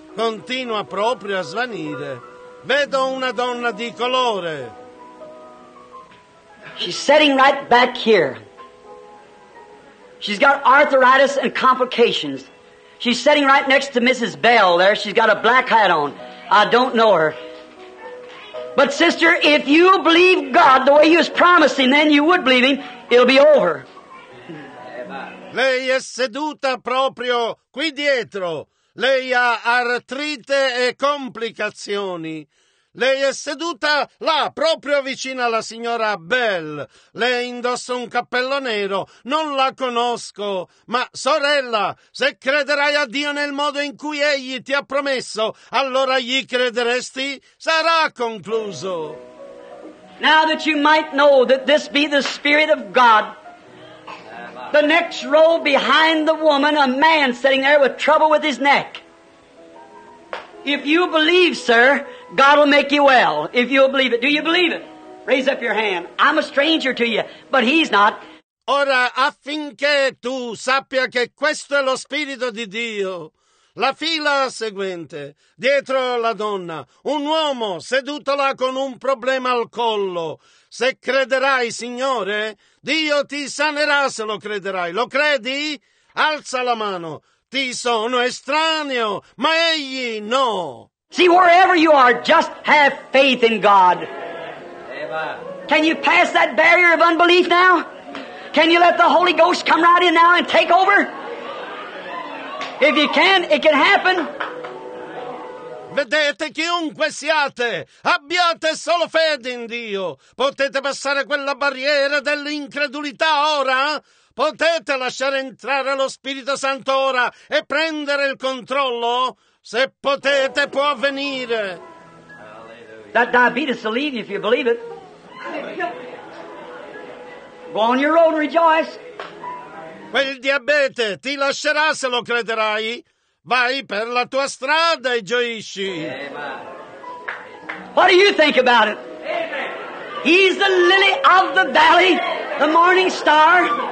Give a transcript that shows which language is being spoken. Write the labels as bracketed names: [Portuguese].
[Italian] Continua proprio a svanire. Vedo una donna di colore. [English] She's sitting right back here. She's got arthritis and complications. She's sitting right next to Mrs. Bell there. She's got a black hat on. I don't know her. But sister, if you believe God the way he was promising, then you would believe him. It'll be over. [Italian] Lei è seduta proprio qui dietro. Lei ha artrite e complicazioni. Lei è seduta là, proprio vicino alla signora Bell. Lei indossa un cappello nero. Non la conosco. Ma, sorella, se crederai a Dio nel modo in cui egli ti ha promesso, allora gli crederesti? Sarà concluso. [English] Now that you might know that this be the Spirit of God, the next row behind the woman, a man sitting there with trouble with his neck. If you believe, sir, God will make you well. If you'll believe it. Do you believe it? Raise up your hand. I'm a stranger to you, but he's not. [Italian] Ora, affinché tu sappia che questo è lo Spirito di Dio, la fila seguente, dietro la donna, un uomo seduto là con un problema al collo. Se crederai, Signore, Dio ti sanerà se lo crederai. Lo credi? Alza la mano. Ti sono estraneo, ma egli no. [English] See, wherever you are, just have faith in God. Can you pass that barrier of unbelief now? Can you let the Holy Ghost come right in now and take over? If you can, it can happen. [Italian] Vedete, chiunque siate, abbiate solo fede in Dio. Potete passare quella barriera dell'incredulità ora? Potete lasciare entrare lo Spirito Santo ora e prendere il controllo? Se potete, può avvenire. [English] That diabetes will leave you if you believe it. Go on your road and rejoice. [Italian] Quel diabete ti lascerà se lo crederai. Vai per la tua strada e gioisci. [English] What do you think about it? He's the lily of the valley, the morning star.